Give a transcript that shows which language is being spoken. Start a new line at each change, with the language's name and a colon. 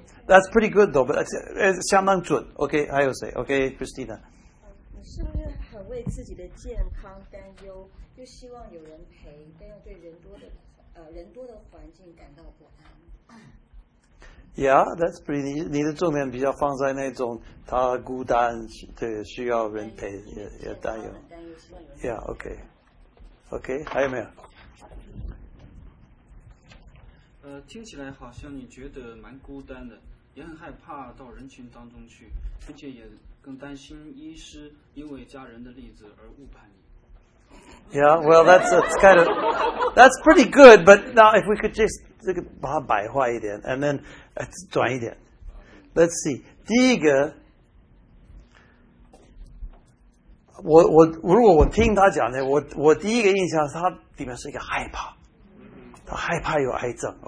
English: That's pretty good though. But
Chinese: 相当准。
English: OK,
Chinese: 还有谁
English: ？OK, Christina。
Chinese: 你是不是很为自己的健康担忧，又希望有人陪，但又对人多的环境感到不安？
English: Yeah, that's pretty.
Chinese: 你的重点比较放在那种他孤单，对，需要人陪，也担忧。
English: Yeah, okay, okay.
Chinese: 还有没有？听起来好像你觉得蛮孤单的，也很害怕到人群当中去，并且也更担心医师因为家人的例子而误判你。
English: Yeah, well, that's pretty good. But now, if we could just
Chinese: 这个把它白话一点
English: ，and then.
Chinese: 短一点 ，
English: Let's see。
Chinese: 第一个，我如果我听他讲的，我第一个印象是他里面是一个害怕，他害怕有癌症。